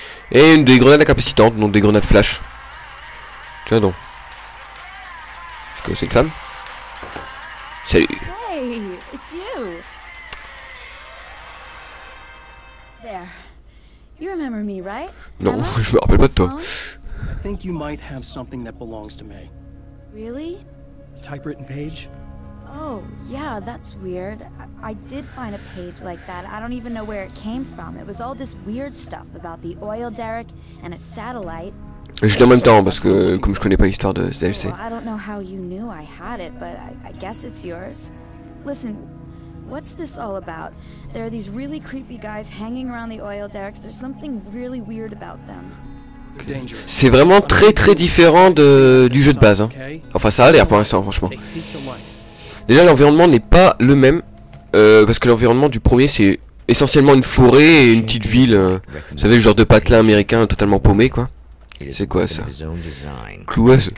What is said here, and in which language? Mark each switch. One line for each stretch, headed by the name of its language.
French: Et une des grenades incapacitantes, donc des grenades flash. Tiens donc. Est-ce que c'est une femme? Salut.
English: Hey, it's you. There. You remember me, right?
French: Non, je me rappelle pas de toi.
English: I think you might have something that belongs to me. Really? Typewritten page? Oh, yeah, that's weird. I did find a page like that. I don't even know where it came from. It was all this weird stuff about the oil derrick and a satellite.
French: Je dis en même temps parce que comme je connais pas l'histoire de DLC.
English: Well, I don't know how you knew I had it, but I guess it's yours. Listen, what's this all about? There are these really creepy guys hanging around the oil derricks. There's something really weird about them.
French: C'est vraiment très très différent du jeu de base. Hein. Enfin, ça a l'air pour l'instant, franchement. Déjà, l'environnement n'est pas le même. Parce que l'environnement du premier, c'est essentiellement une forêt et une petite ville. Vous savez, le genre de patelin américain totalement paumé, quoi. C'est quoi ça? Clouasse.